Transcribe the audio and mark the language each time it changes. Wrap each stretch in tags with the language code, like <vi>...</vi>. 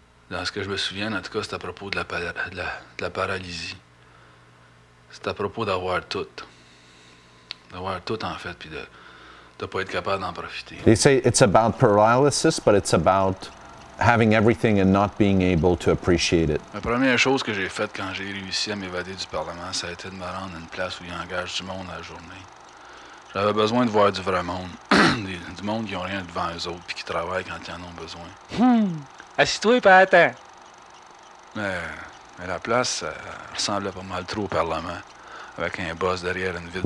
<fr>Dans ce que je me souviens, en tout cas, c'est à propos de la paralysie. C'est à propos d'avoir tout. D'avoir tout, en fait, puis de pas être capable d'en profiter.</fr> <en>They say it's about paralysis, but it's about... having everything and not being able to appreciate it.</en> <fr>La première chose que j'ai faite quand j'ai réussi à m'évader du Parlement, ça a été de me rendre à une place où il engage du monde à la journée. J'avais besoin de voir du vrai monde, du monde qui n'a rien devant eux autres puis qui travaille quand ils en ont besoin. Assieds-toi, pas attends. Mais la place ressemblait pas mal trop au Parlement, avec un boss derrière une vitre.</fr>